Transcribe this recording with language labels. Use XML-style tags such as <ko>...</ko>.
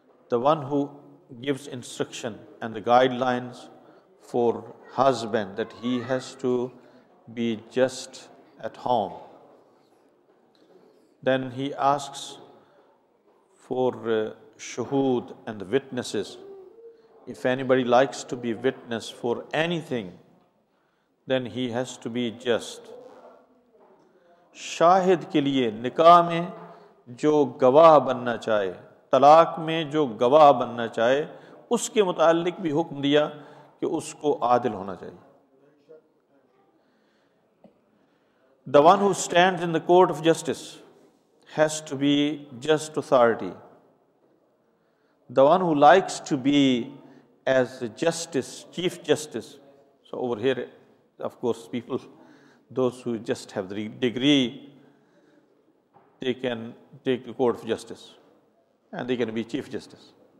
<en>The one who gives instruction and the guidelines for husband that he has to be just at home, then he asks for shuhud and the witnesses. If anybody likes to be witness for anything, then he has to be just.</en> <ur>شاہد کے لیے نکاح میں جو گواہ بننا چاہے، طلاق میں جو گواہ بننا چاہے، اس کے متعلق بھی حکم دیا کہ اس کو عادل ہونا چاہیے.</ur> <en>The one who stands in the court of justice has to be just authority. The one who likes to be as justice, chief justice. So over here, of course, people, those who just have the degree, they can take the court of justice and they can be chief justice.</en>